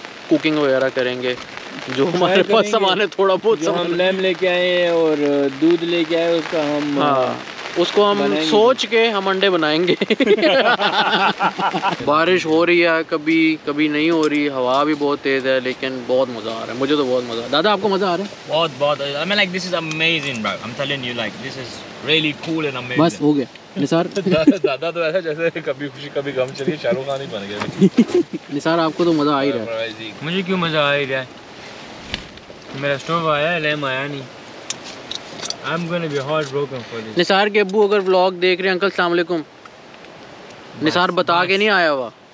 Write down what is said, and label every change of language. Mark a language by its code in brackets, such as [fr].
[hi] Cooking वगैरह करेंगे, जो हमारे पास सामान है थोड़ा बहुत, जो हम लैम लेके आए हैं और दूध लेके आए उसका हम उसको हम सोच के हम अंडे बनाएंगे। बारिश हो रही है कभी कभी नहीं हो रही, हवा भी बहुत तेज है, लेकिन बहुत मजा आ रहा है, मुझे तो बहुत मजा। दादा आपको मजा आ रहा है? बहुत बहुत, [en] I mean like this is amazing bro, I'm telling you like this is really cool and amazing। [hi] बस हो गया निसार। दादा तो ऐसा जैसे कभी खुशी कभी गम, चलिए शाहरुख खान ही बन गया। निसार आपको तो मजा आ ही रहा है? मुझे क्यों मजा आ ही रहा है, मेरा स्टोव आया है लैम आया नहीं, [en] I'm going to be heartbroken for this। [hi] Nisar के अब्बू अगर व्लॉग देख रहे हैं, अंकल सलाम अलैकुम, निसार बता के नहीं आया हुआ,